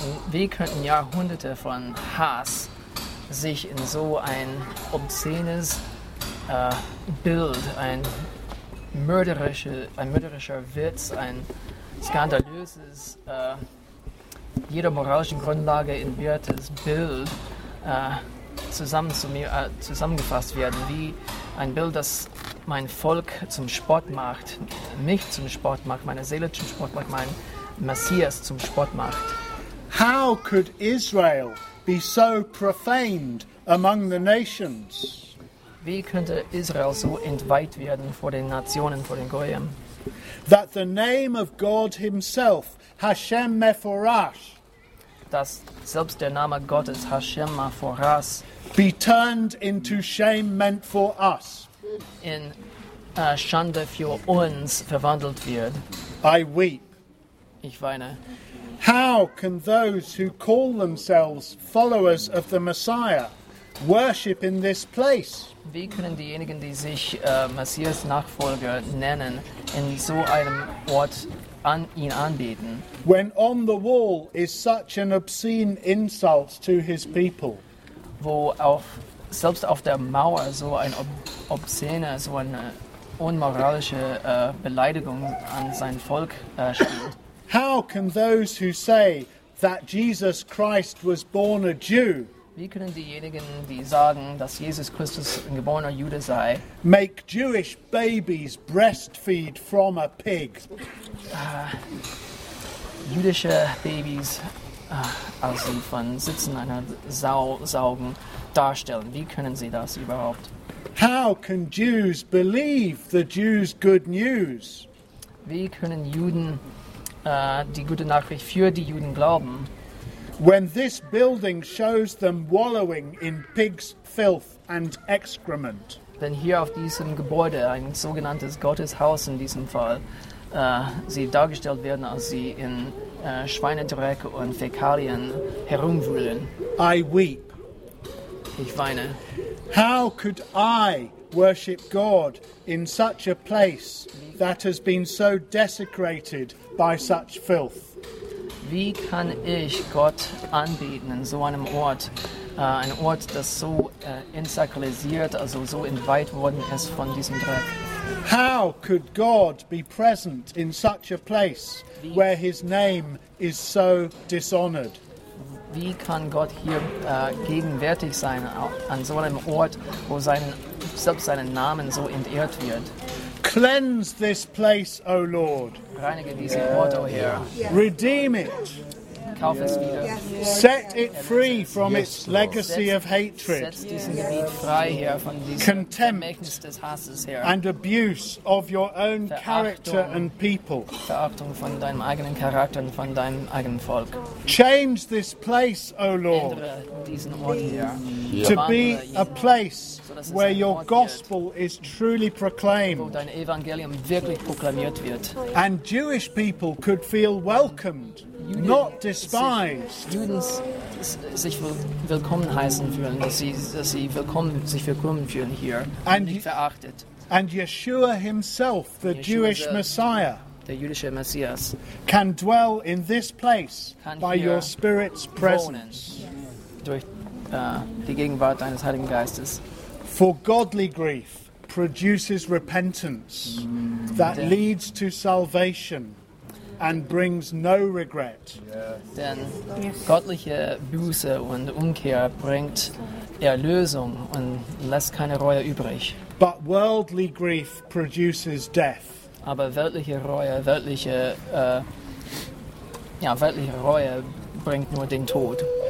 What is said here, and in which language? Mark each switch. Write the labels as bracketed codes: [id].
[de] Wie könnten Jahrhunderte von Hass sich in so ein obszenes Bild, ein mörderischer Witz, ein skandalöses jeder moralischen Grundlage in Werthes Bild zusammengefasst werden, wie ein Bild, das mein Volk zum Spott macht, mich zum Spott macht, meine Seele zum Spott macht, mein Messias zum Spott macht. [en] How could Israel be so profaned among the nations? [de] Wie könnte Israel so entweiht werden vor den Nationen, vor den Goyim? [en] That the name of God himself, Hashem Mephorash, [de] dass selbst der Name Gottes Hashem Mephorash [en] be turned into shame meant for us, [de] in Schande für uns verwandelt wird. [en] I weep. [de] Ich weine. [en] How can those who call themselves followers of the Messiah worship in this place? [de] Wie können diejenigen, die sich Messias Nachfolger nennen, in so einem Ort ihn anbeten, [en] when on the wall is such an obscene insult to his people, [de] wo auf, selbst auf der Mauer so ein obszene, so eine unmoralische Beleidigung an sein Volk steht. [en] How can those who say that Jesus Christ was born a Jew, [de] wie können diejenigen, die sagen, dass Jesus Christus ein geborener Jude sei, [en] make Jewish babies breastfeed from a pig? [de] Jüdische Babys also von Sitzen einer Sau saugen darstellen. Wie können sie das überhaupt? [en] How can Jews believe the Jews' good news? [de] Wie können Juden die gute Nachricht für die Juden glauben? [en] When this building shows them wallowing in pigs' filth and excrement. [de] Denn hier auf diesem Gebäude, ein sogenanntes Gotteshaus in diesem Fall, sie dargestellt werden, als sie in Schweinedreck und Fäkalien herumwühlen. [en] I weep. [de] Ich weine. [en] How could I worship God in such a place that has been so desecrated by such filth? [de] Wie kann ich Gott anbeten in so einem Ort, ein Ort, das so entsakralisiert, also so entweiht worden ist von diesem Dreck? [en] How could God be present in such a place where his name is so dishonored? [de] Wie kann Gott hier gegenwärtig sein an so einem Ort, wo selbst seinen Namen so entehrt wird? [en] Cleanse this place, O Lord. [de] Reinige diesen Ort, O Herr. [en] Redeem it. [de] Kauf es wieder. [en] Set it free from its legacy of hatred. [de] Setz diesen Gebiet frei, Herr, von diesem Vermächtnis des Hasses, Herr. [en] And abuse of your own character and people. [de] Verachtung von deinem eigenen Charakter und von deinem eigenen Volk. [en] Change this place, O Lord. [de] Ändere diesen Ort, Herr. [en] To be a place where your gospel is truly proclaimed. [de] Wo dein Evangelium wirklich proklamiert wird. [en] And Jewish people could feel welcomed. Not despised. [de] Juden sich willkommen heißen fühlen, dass sie willkommen fühlen hier, und nicht verachtet. [en] And Yeshua himself, the Jewish Messiah, [de] der jüdische Messias, [en] can dwell in this place by your Spirit's presence, [de] durch die Gegenwart deines Heiligen Geistes. [en] For godly grief produces repentance that leads to salvation. And brings no regret. [de] Denn göttliche Buße und Umkehr bringt Erlösung und lässt keine Reue übrig. [en] But worldly grief produces death. [de] Aber weltliche Reue, weltliche Reue bringt nur den Tod.